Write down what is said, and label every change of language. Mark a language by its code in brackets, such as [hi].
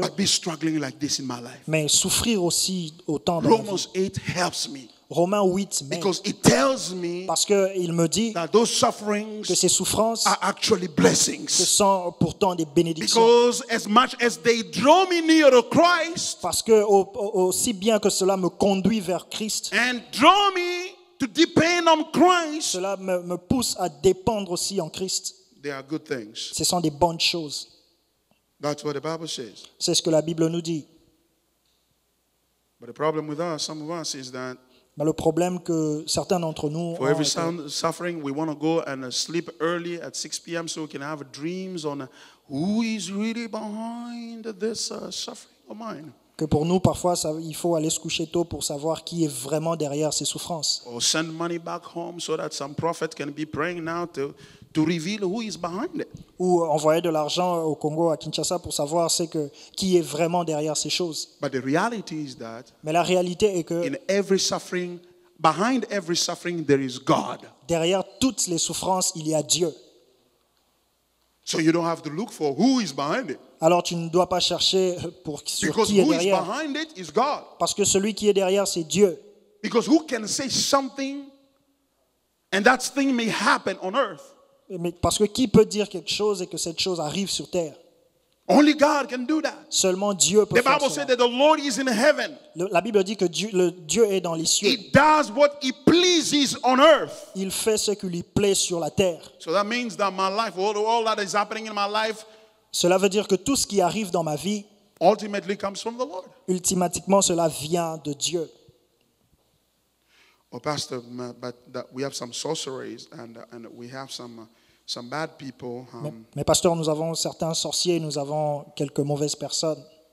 [en] But be struggling like this in my life. [fr] Mais souffrir aussi autant dans [en] Romans 8 helps me. [fr] Romains 8 [en] because it tells me [fr] parce qu'il me dit [en] that those sufferings [fr] que ces souffrances [en] are actually blessings. [fr] Ce sont pourtant des bénédictions. [en] Because as much as they draw me near to Christ, [fr] parce que aussi bien que cela me conduit vers Christ [en] and draw me to depend on Christ, [fr] cela me pousse à dépendre aussi en Christ. [en] They are good things. [fr] Ce sont des bonnes choses. [en] That's what the Bible says. [fr] C'est ce que la Bible nous dit. [en] But the problem with us, some of us, is that [fr] mais le problème que certains d'entre nous [en] for every sound suffering, we want to go and sleep early at 6 p.m. so we can have dreams on who is really behind this suffering of mine. [fr] Que pour nous, parfois, ça, il faut aller se coucher tôt pour savoir qui est vraiment derrière ces souffrances. [en] Or send money back home so that some prophet can be praying now to reveal who is behind it. [fr] Ou envoyer de l'argent au Congo, à Kinshasa, pour savoir c'est que qui est vraiment derrière ces choses. [en] But the reality is that [fr] mais la réalité est que [en] in every suffering, behind every suffering, there is God. [fr] Derrière toutes les souffrances, il y a Dieu. [en] So you don't have to look for who is behind it. [fr] Alors tu ne dois pas chercher pour sur [en] because [fr] qui est derrière. [en] Because who is behind it is God. [fr] Parce que celui qui est derrière, c'est Dieu. [en] Because who can say something and that thing may happen on earth? [fr] Mais parce que qui peut dire quelque chose et que cette chose arrive sur terre? [en] Only God can do that. [fr] Seulement Dieu peut faire cela. [en] The Bible says that the Lord is in heaven. [fr] La Bible dit que Dieu est dans les cieux. [en] He does what he pleases on earth. [fr] Il fait ce qui lui plaît sur la terre. [en] So that means that my life, all that is happening in my life, [fr] cela veut dire que tout ce qui arrive dans ma vie, [en] ultimately comes from the Lord. [fr] Ultimement, cela vient de Dieu. [en] Oh, pastor, but that we have some sorceries and we have some bad people. [fr] Mais pasteur, nous avons certains sorciers, nous avons quelques mauvaises personnes.